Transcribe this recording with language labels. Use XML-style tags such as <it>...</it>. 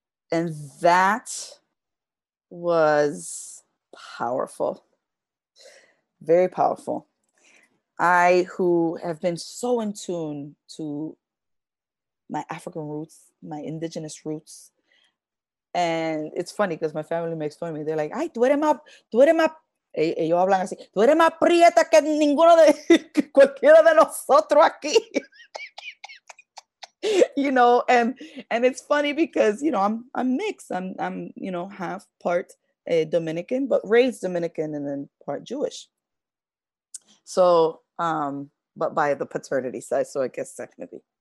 <en>And that was powerful, very powerful. I, who have been so in tune to my African roots, my indigenous roots, and it's funny because my family makes fun of me. They're like,</en> <es>"Ay, tú eres más ellos hablan así, tú eres más prieta que ninguno de cualquiera de nosotros aquí.</es> <en>You know, and it's funny because, you know, I'm mixed. I'm you know, half part Dominican, but raised Dominican and then part Jewish. So, but by the paternity side, so I guess technically.</en>